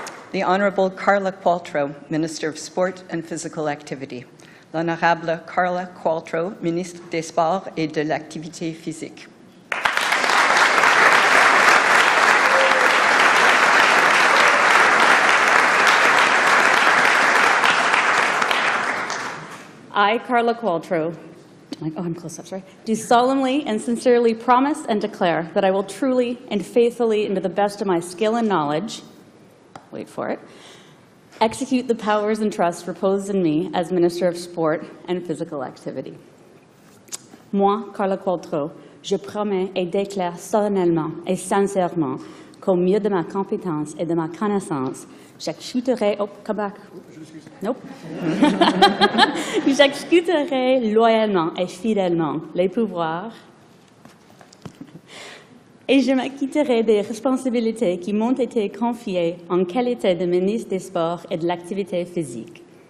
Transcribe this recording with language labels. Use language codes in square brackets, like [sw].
[en] The Honourable Carla Qualtrough, Minister of Sport and Physical Activity. [fr] L'Honorable Carla Qualtrough, Ministre des Sports et de l'Activité Physique. [en] I, Carla Qualtrough, do solemnly and sincerely promise and declare that I will truly and faithfully, and to the best of my skill and knowledge, wait for it, execute the powers and trusts reposed in me as Minister of Sport and Physical Activity. [fr] Moi, Carla Qualtrough, je promets et déclare solennellement et sincèrement qu'au mieux de ma compétence et de ma connaissance, j'exécuterai loyalement et fidèlement les pouvoirs et je m'acquitterai des responsabilités qui m'ont été confiées en qualité de ministre des Sports et de l'Activité physique.